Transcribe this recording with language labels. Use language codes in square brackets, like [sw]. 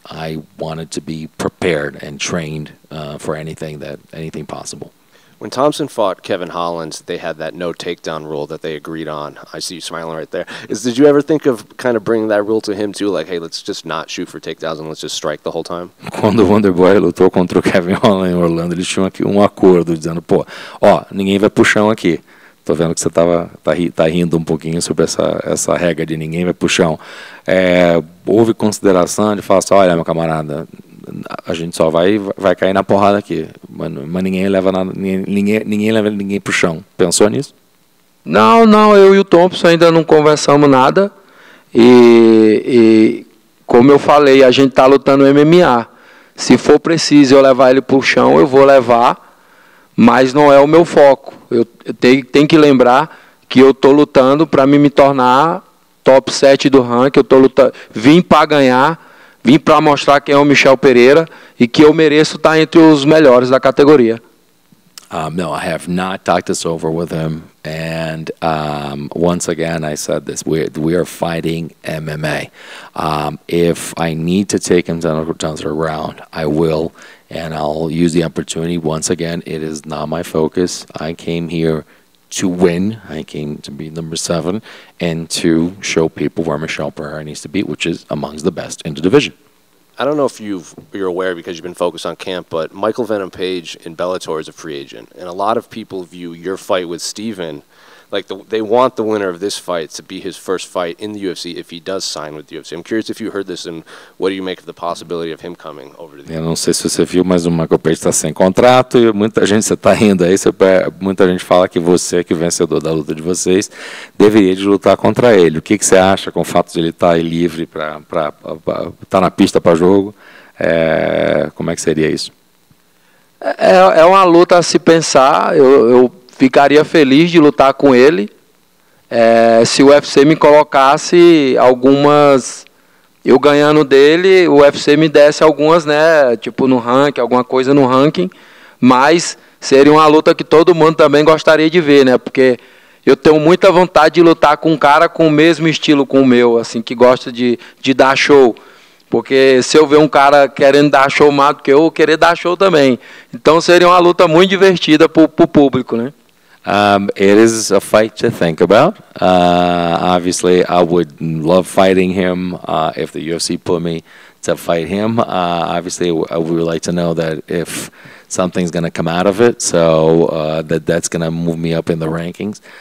[en] I wanted to be prepared and trained for anything possible. When Thompson fought Kevin Hollins, they had that no takedown rule that they agreed on. I see you smiling right there. Did you ever think of kind of bringing that rule to him too? Like, hey, let's just not shoot for takedowns and let's just strike the whole time? [pt] Quando o Wonderboy lutou contra o Kevin Hollins em Orlando, eles tinham aqui acordo dizendo, pô, ó, ninguém vai pro chão aqui. Tô vendo que você tá rindo pouquinho sobre essa regra de ninguém vai pro chão. Houve consideração de falar assim, olha, meu camarada, a gente só vai cair na porrada aqui, mas ninguém leva ninguém pro chão. Pensou nisso? Não, eu e o Thompson ainda não conversamos nada, e como eu falei, a gente tá lutando MMA. Se for preciso eu levar ele pro chão, eu vou levar, mas não é o meu foco. Eu tenho que lembrar que eu tô lutando para me tornar top 7 do ranking. Eu tô lutando, vim para ganhar. Vim para mostrar quem é o Michel Pereira e que eu mereço estar entre os melhores da categoria. [en] No, I have not talked this over with him. And once again, I said this, we are fighting MMA. If I need to take him down to the ground, I will. And I'll use the opportunity. Once again, it is not my focus. I came here to win. I came to be number 7 and to show people where Michel Pereira needs to be, which is amongst the best in the division. I don't know if you're aware because you've been focused on camp, but Michael Venom Page in Bellator is a free agent. And a lot of people view your fight with Steven, like they want the winner of this fight to be his first fight in the UFC if he does sign with the UFC. I'm curious if you heard this and what do you make of the possibility of him coming over to the UFC? [pt] Eu não sei se você viu, mas o Michael Page está sem contrato e muita gente, você está rindo aí, muita gente fala que você, que o vencedor da luta de vocês, deveria de lutar contra ele. O que, que você acha com o fato de ele estar aí livre para estar na pista para jogo? Como é que seria isso? É uma luta a se pensar. Eu ficaria feliz de lutar com ele, se o UFC me colocasse algumas, eu ganhando dele, o UFC me desse algumas, né, tipo no ranking, alguma coisa no ranking, mas seria uma luta que todo mundo também gostaria de ver, né, porque eu tenho muita vontade de lutar com um cara com o mesmo estilo com o meu, assim, que gosta de dar show. Porque se eu ver um cara querendo dar show mais do que eu, querer dar show também. Então seria uma luta muito divertida pro público, né? [en] It is a fight to think about. Obviously, I would love fighting him if the UFC put me to fight him. Obviously, I would like to know that if something's going to come out of it, so that's going to move me up in the rankings.